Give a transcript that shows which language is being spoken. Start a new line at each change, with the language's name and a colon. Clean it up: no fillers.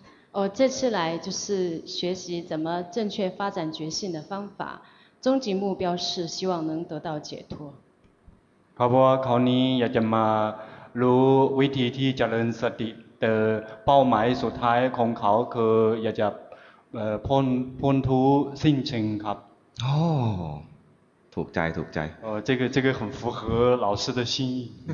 Chinese: 我这次来就是学习怎么正确发展觉性的方法终极目标是希望能得到解脱
Thai: ครับว่าคราวนี้อยากจะมารู้วิธีที่เจริญสติเป้าหมายสุดท้ายของเขาคืออยากจะพ้นทุกข์สิ้นเชิงครับ โอ้ถูกใจถูกใจ
Chinese: 这个很符合老师的心意